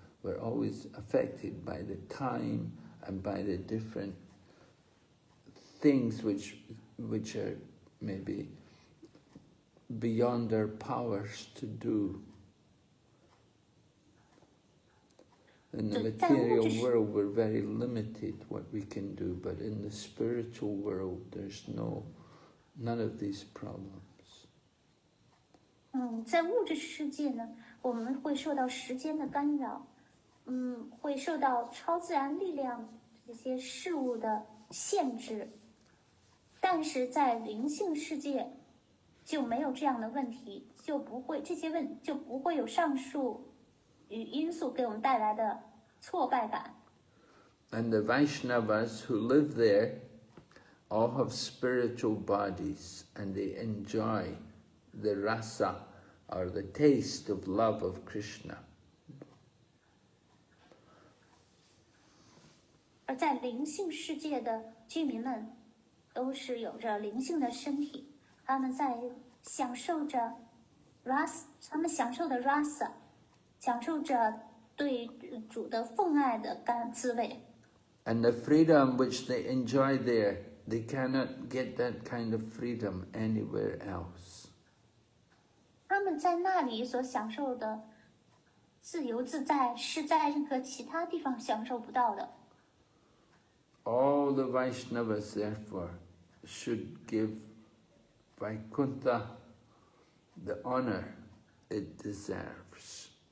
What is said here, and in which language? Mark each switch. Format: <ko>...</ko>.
<en>We're always affected by the time and by the different things which are maybe beyond our powers to do. In the material world, we're very limited what we can do, but in the spiritual world, there's none of these problems.</en> <zh>在物质世界呢，我们会受到时间的干扰，会受到超自然力量这些事物的限制，但是在灵性世界就没有这样的问题，就不会这些问就不会有上述与因素给我们带来的挫败感。</zh> <en>And the Vaishnavas who live there all have spiritual bodies, and they enjoy the rasa or the taste of love of Krishna.</en> <zh>而在灵性世界的居民们都是有着灵性的身体，他们在享受着 rasa， 他们享受的 rasa。享受着对主的奉爱的甘滋味。</zh> <en>And the freedom which they enjoy there, they cannot get that kind of freedom anywhere else.</en> <zh>他们在那里所享受的自由自在是在任何其他地方享受不到的。</zh> <en>All the Vaishnavas therefore should give Vaikuntha the honor it deserves.</en>